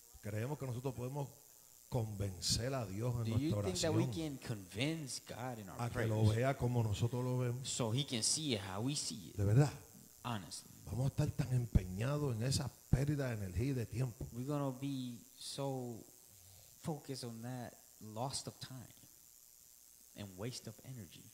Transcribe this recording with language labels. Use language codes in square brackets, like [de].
[es] Creemos que nosotros podemos convencer a Dios en [en] Do [es] nuestra oración. [en] Do you think that we can convince God in our prayers? [es] A que lo vea como nosotros lo vemos. [en] So he can see it how we see it. [es] De verdad. [en] Honestly. [es] Vamos a estar tan empeñados en esa pérdida de energía y de tiempo. [en] We're gonna be so focus on that loss of time and waste of energy.